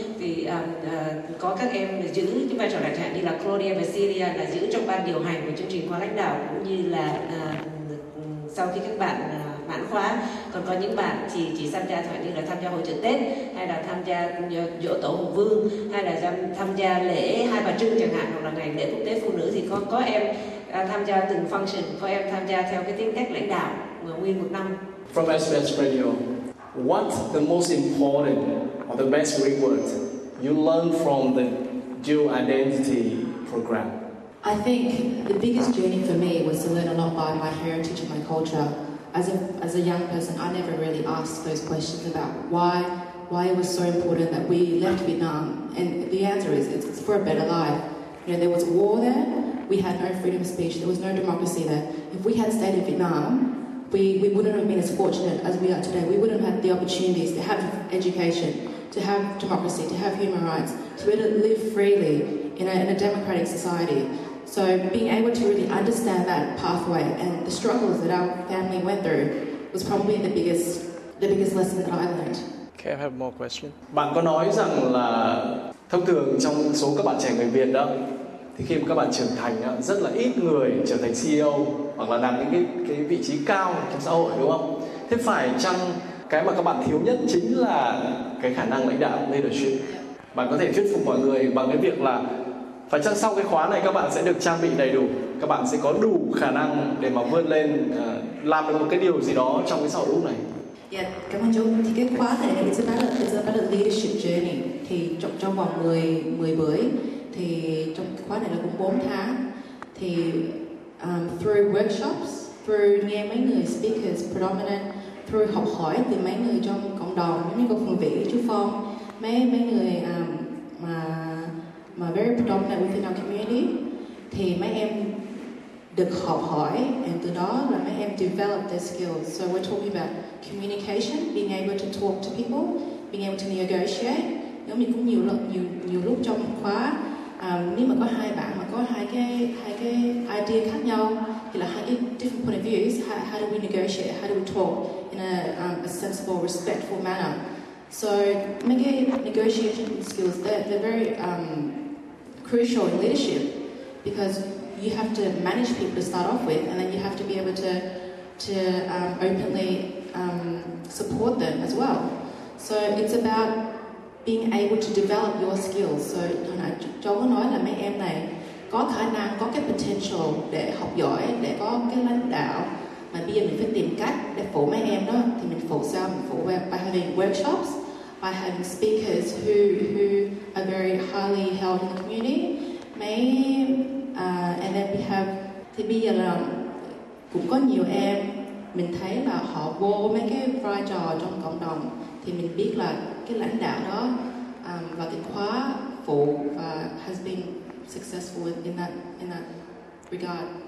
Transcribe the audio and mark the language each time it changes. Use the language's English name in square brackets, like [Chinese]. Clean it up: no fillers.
[Vietnamese] Thì có các em giữ cái vai trò lãnh đạo như là Claudia và Syria là giữ trong ban điều hành của chương trình khóa lãnh đạo, cũng như là sau khi các bạn mãn khóa. Còn có những bạn thì chỉ tham gia thoải như là tham gia hội chợ Tết, hay là tham gia dỗ tổ Hùng Vương, hay là tham gia lễ Hai Bà Trưng chẳng hạn, hoặc là ngày lễ quốc tế phụ nữ. Thì có em tham gia từng function, có em tham gia theo cái tính cách lãnh đạo nguyên một năm. [English] From SBS Radio, what's the most important or the best reward you learn from the dual identity program? I think the biggest journey for me was to learn a lot about my heritage and my culture. As a young person, I never really asked those questions about why it was so important that we left Vietnam. And the answer is, it's for a better life. You know, there was war there, we had no freedom of speech, there was no democracy there. If we had stayed in Vietnam, we wouldn't have been as fortunate as we are today. We wouldn't have had the opportunities to have education, to have democracy, to have human rights, to be able to live freely in a democratic society. So being able to really understand that pathway and the struggles that our family went through was probably the biggest lesson that I learned. Okay, I have more question. [Vietnamese] Bạn có nói rằng là thông thường trong số các bạn trẻ người Việt đó, thì khi mà các bạn trưởng thành đó, rất là ít người trở thành CEO hoặc là đạt những cái vị trí cao trong xã hội, đúng không? Thế phải chăng cái mà các bạn thiếu nhất chính là cái khả năng lãnh đạo, leadership? Bạn có thể thuyết phục mọi người bằng cái việc là phải chăng sau cái khóa này các bạn sẽ được trang bị đầy đủ, các bạn sẽ có đủ khả năng để mà vươn lên làm được một cái điều gì đó trong cái xã hội này? Yeah, cảm ơn chú. Thì cái khóa này [English] it's about a leadership journey. [Vietnamese] Thì trong vòng 10 buổi, thì trong khóa này là cũng 4 tháng. Thì [English] through workshops, through [Vietnamese] nghe mấy người [English] speakers predominant, through [Vietnamese] học hỏi từ mấy người trong cộng đồng, mấy người có phần vị chú Phong, mấy người mà [English] very predominant within our community, [Vietnamese] thì mấy em được học hỏi [English] and [Vietnamese] từ đó là mấy em [English] develop their skills. So we're talking about communication, being able to talk to people, being able to negotiate. [Vietnamese] Nếu mình cũng nhiều lúc trong khóa, nếu mà có hai bạn mà có hai cái idea khác nhau, thì là hai cái [English] different point of views, how do we negotiate, how do we talk in a sensible, respectful manner. So [Vietnamese] mấy cái [English] negotiation skills, they're very crucial in leadership, because you have to manage people to start off with, and then you have to be able to openly support them as well. So it's about being able to develop your skills. So you know, [Vietnamese] Joel có nói là mấy em này có khả năng, có cái [English] potential [Vietnamese] để học giỏi, để có cái lãnh đạo. Mà bây giờ mình phải tìm cách để phụ mấy em đó. Thì mình phụ sao? Mình phụ [English] by having workshops, by having speakers who are very highly held in the community. [Vietnamese] Mấy [English] and then we have, [Vietnamese] thì bây giờ là cũng có nhiều em mình thấy là họ vô mấy cái vai trò trong cộng đồng, thì mình biết là cái lãnh đạo đó và cái khóa phụ và [English] has been successful in that regard.